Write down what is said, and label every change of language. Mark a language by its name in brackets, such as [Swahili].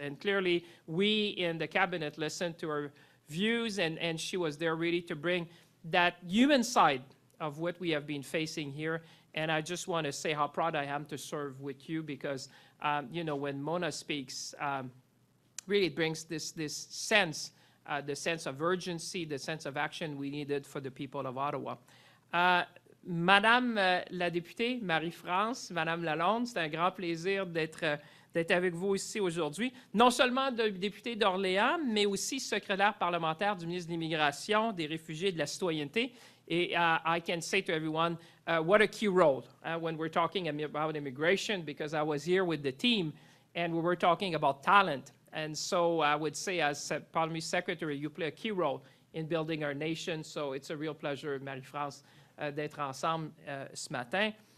[English] And clearly, we in the Cabinet listened to her views, and she was there really to bring that human side of what we have been facing here. And I just want to say how proud I am to serve with you because, you know, when Mona speaks, really brings this sense, the sense of urgency, the sense of action we needed for the people of Ottawa. [French] Madame la députée Marie-France, Madame Lalonde, c'est un grand plaisir d'être avec vous ici aujourd'hui. Non seulement députée d'Orléans, mais aussi secrétaire parlementaire du ministre de l'Immigration, des Réfugiés et de la Citoyenneté. Et [English] I can say to everyone, what a key role when we're talking about immigration, because I was here with the team and we were talking about talent. And so I would say, as Parliament Secretary, you play a key role in building our nation. So it's a real pleasure, Marie-France, [French] d'être ensemble ce matin.